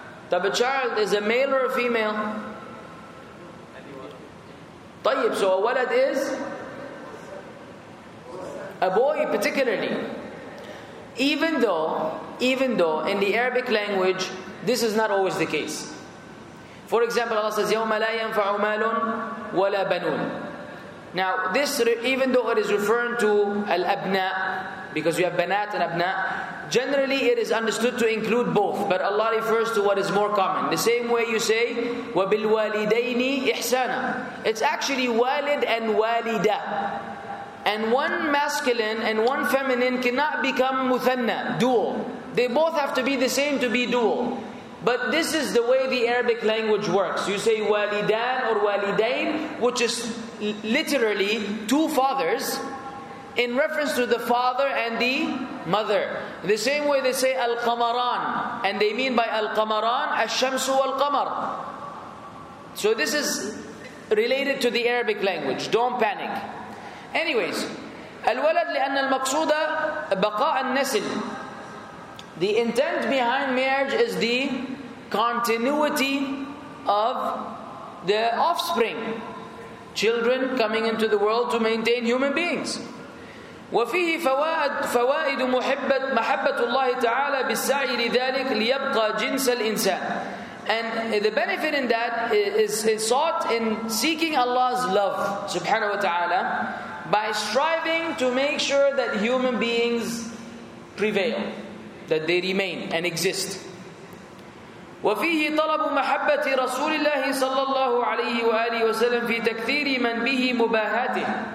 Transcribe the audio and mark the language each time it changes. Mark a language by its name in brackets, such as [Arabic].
[English] Tab, a child is a male or a female? Tayyib, so a walad is? A boy particularly. Even though in the Arabic language, this is not always the case. For example, Allah says, [Arabic] يَوْمَ لَا يَنْفَعُ مَالٌ وَلَا بَنُونَ. [English] Now, this, even though it is referring to al-abna, because you have banat and abna, generally it is understood to include both. But Allah refers to what is more common. The same way you say, [Arabic] وَبِالْوَالِدَيْنِ إِحْسَانًا. [English] It's actually walid and walida. And one masculine and one feminine cannot become muthanna, dual. They both have to be the same to be dual. But this is the way the Arabic language works. You say walidan or walidain, which is literally two fathers, in reference to the father and the mother. The same way they say al-qamaran, and they mean by al-qamaran, al-shamsu wal-qamar. So this is related to the Arabic language. Don't panic. Anyways, [Arabic] الولد لأن المقصودة بقاء النسل. [English] The intent behind marriage is the continuity of the offspring. Children coming into the world to maintain human beings. [Arabic] وفيه فوائد محبة الله تعالى بالسعي لذلك ليبقى جنس الإنسان. [English] And the benefit in that is sought in seeking Allah's love, subhanahu wa ta'ala, by striving to make sure that human beings prevail, that they remain and exist. [Arabic] وفيه طلب محبة رسول الله صلى الله عليه وآله وسلم في تكثير من به مباهاته.